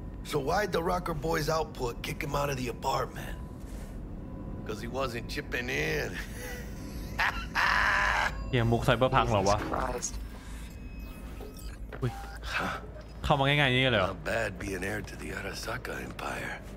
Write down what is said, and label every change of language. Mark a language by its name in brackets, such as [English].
[English] So why'd the Rocker Boys output kick him out of the apartment? Because he wasn't chipping in. [Thai] เฮียมุกไซเบอร์พังเหรอวะเข้ามาง่ายๆนี่เลยเหรอ [English] Not bad being heir to the Arasaka Empire.